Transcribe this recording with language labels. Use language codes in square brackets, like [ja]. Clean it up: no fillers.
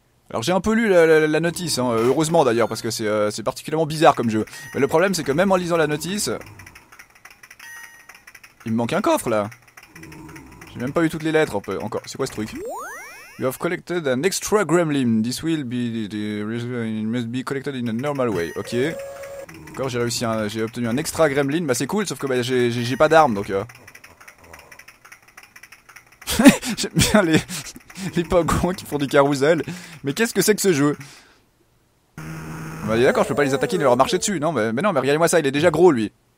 [fr] Alors j'ai un peu lu la notice, hein, heureusement d'ailleurs, parce que c'est particulièrement bizarre comme jeu. Mais le problème c'est que même en lisant la notice, il me manque un coffre là. J'ai même pas eu toutes les lettres encore. C'est quoi ce truc? [en] You have collected an extra gremlin. This will be it must be collected in a normal way. Ok. [fr] D'accord, j'ai réussi, j'ai obtenu un extra gremlin, bah c'est cool, sauf que bah, j'ai pas d'arme, donc... J'aime bien les pingouins qui font du carousel, mais qu'est-ce que c'est que ce jeu? Bah d'accord, je peux pas les attaquer, ni leur marcher dessus, non, mais non, mais regardez-moi ça, il est déjà gros, lui.